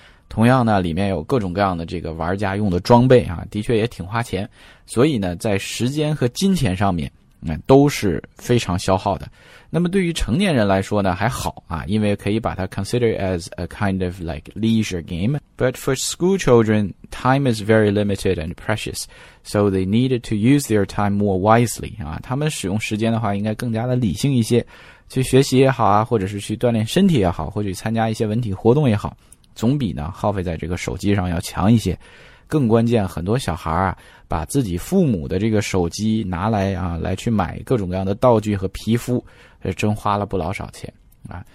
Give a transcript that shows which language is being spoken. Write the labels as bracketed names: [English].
[Chinese] 同样呢里面有各种各样的这个玩家用的装备啊，的确也挺花钱，所以呢在时间和金钱上面都是非常消耗的。那么对于成年人来说呢还好啊，因为可以把它 [English] consider as a kind of like leisure game. But for school children, time is very limited and precious, so they needed to use their time more wisely. [Chinese] 啊，他们使用时间的话应该更加的理性一些，去学习也好啊，或者是去锻炼身体也好，或者参加一些文体活动也好，总比呢耗费在这个手机上要强一些。更关键，很多小孩啊，把自己父母的这个手机拿来啊，来去买各种各样的道具和皮肤，真花了不老少钱啊。